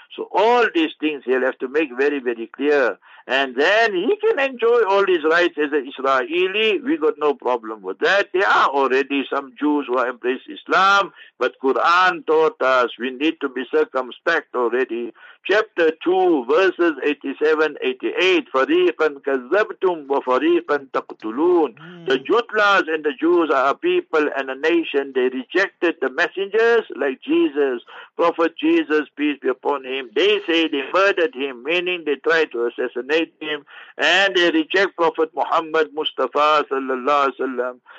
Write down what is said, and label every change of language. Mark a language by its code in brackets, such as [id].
[en] So all these things he'll have to make very, very clear. And then he can enjoy all his rights as an Israeli. We got no problem with that. There are already some Jews who have embraced Islam, but Quran taught us we need to be circumspect already. Chapter 2, verses 87, 88, [ar] فَرِيقًا كَذَّبْتُمْ وَفَرِيقًا تَقْتُلُونَ. [en] The Jutlas and the Jews are a people and a nation. They rejected the messengers like Jesus, Prophet Jesus, peace be upon him. They say they murdered him, meaning they tried to assassinate him, and they reject Prophet Muhammad Mustafa sallallahu alaihi wasallam.